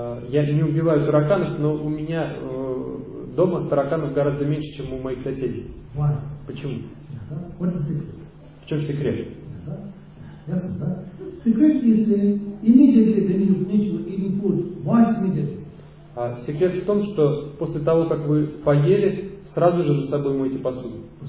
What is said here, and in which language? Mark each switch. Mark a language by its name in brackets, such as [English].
[Russian] Я не убиваю тараканов, но у меня дома тараканов гораздо меньше, чем у моих соседей. Почему? [English] What's the secret? [Russian] В чем секрет? [English] Yes, secret is immediately when you finish eating food, wash immediately. [Russian] А секрет в том, что после того, как вы поели, сразу же за собой мойте посуду.